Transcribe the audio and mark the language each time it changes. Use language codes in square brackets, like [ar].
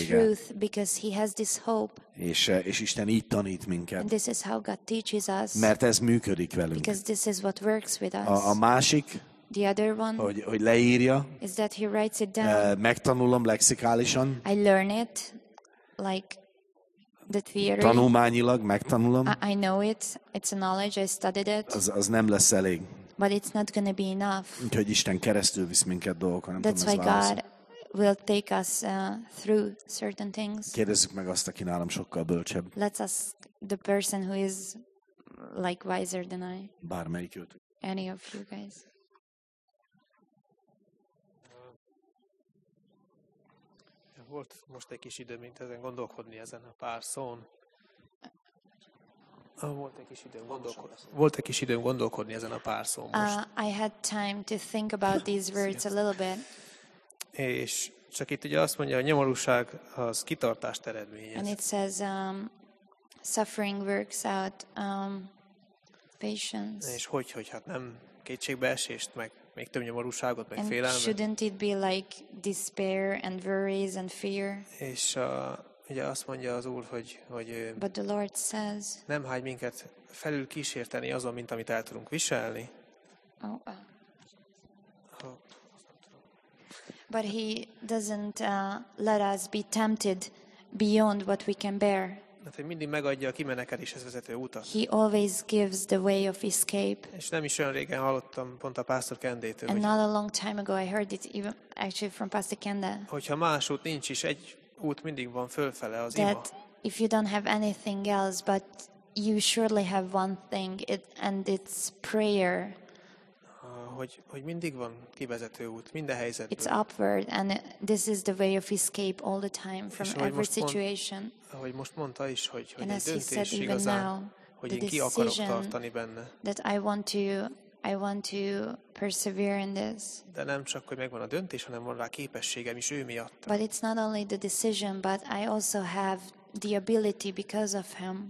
[en] In the truth because he has this hope. [hu] És Isten így tanít minket. [en] And this is how God teaches us, [hu] mert ez működik velünk. [en] Because this is what works with us. [hu] A másik, [en] the other one, [hu] hogy leírja, [en] is that he writes it down. [hu] Megtanulom lexikálisan. [en] I learn it, like the theory. [hu] Tanulmányilag megtanulom. [en] I know it. It's a knowledge. I studied it. [hu] Az nem lesz elég. [en] But it's not going to be enough. [hu] Úgyhogy Isten keresztül visz minket dolgokon. [en] That's why God will take us through certain things. [hu] Kérdezzük meg azt, aki nálam sokkal bölcsebb. [en] Let's ask the person who is like wiser than I. [hu] Bármelyik jött. [en] Any of you guys. [hu] Volt most egy kis idő, mint ezen gondolkodni ezen a pár szón. Volt egy kis időm gondolkodni ezen a pár szón most. [en] I had time to think about these words a little bit. [hu] És csak itt ugye azt mondja, a nyomorúság az kitartást eredményez. [en] And it says suffering works out patience. [hu] És hogy hát nem kétségbeesést, meg még több nyomorúságot, meg félelmet. [en] And shouldn't it be like despair and worries and fear? [hu] És ugye azt mondja az Úr, hogy [en] but the Lord says, [hu] nem hagy minket felül kísérteni azon, mint amit el tudunk viselni. Oh. [en] But he doesn't let us be tempted beyond what we can bear. [hu] Hát, hogy mindig megadja a kimenekedéshez vezető utat. [en] He always gives the way of escape. [hu] És nem is olyan régen hallottam pont a Pásztor Kendétől. [en] And not a long time ago I heard it even actually from Pastor Kenda. [hu] Hogyha más út nincs is, egy út mindig van fölfele, az [en] that [hu] ima. [en] If you don't have anything else, but you surely have one thing, and it's prayer. [hu] Hogy mindig van kivezető út, minden helyzetben. [en] It's upward, and this is the way of escape all the time from [hu] és [en] every situation. [hu] Ahogy most mondta is, hogy egy döntés igazán, now, hogy én ki akarok tartani benne. [en] That I want to I want to persevere in this. [hu] De nem csak, hogy megvan a döntés, hanem van rá képességem is ő miatt. [en] But it's not only the decision, but I also have the ability because of him.